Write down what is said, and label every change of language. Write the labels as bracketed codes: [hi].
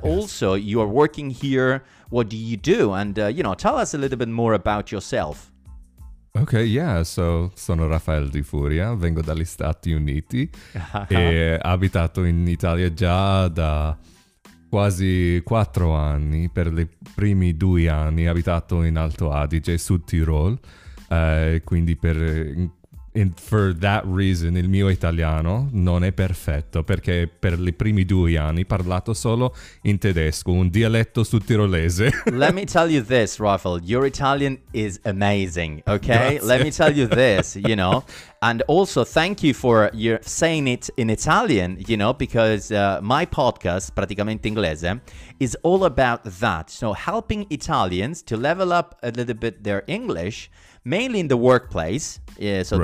[en] Also you are working here. What do you do? And, you know, tell us a little bit more about yourself. Okay, yeah, so [it] sono Rafael Di Furia, vengo dagli Stati Uniti e abitato in Italia già da quasi 4 anni, per i primi 2 anni abitato in Alto Adige, Sud Tirol, quindi per [en] and for that reason [it] il mio italiano non è perfetto, perché per i primi 2 anni parlato solo in tedesco, un dialetto sudtirolese. [en] Let me tell you this, Rafael, your Italian is amazing, okay? [it] Grazie. [en] Let me tell you this, you know, and also thank you for your saying it in Italian, you know, because my podcast Praticamente Inglese is all about that, so helping Italians to level up a little bit their English, mainly in the workplace, yeah, so